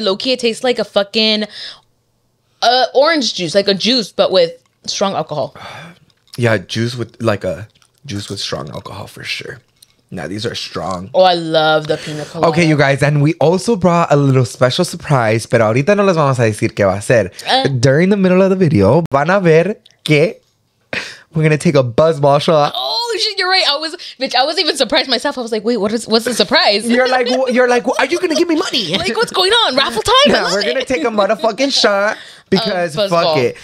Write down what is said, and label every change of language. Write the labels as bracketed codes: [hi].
[en] Low-key, it tastes like a fucking orange juice, like a juice, but with strong alcohol. Yeah, juice with strong alcohol for sure. Now, these are strong. Oh, I love the pina colada. Okay, you guys. And we also brought a little special surprise. [es] Pero ahorita no les vamos a decir qué va a ser. [en] During the middle of the video, [es] van a ver que [en] we're going to take a Buzzball shot. Oh, shit. You're right. I was even surprised myself. I was like, wait, what's the surprise? You're like, well, are you going to give me money? Like, what's going on? Raffle time? No, we're going to take a motherfucking shot because fuck it.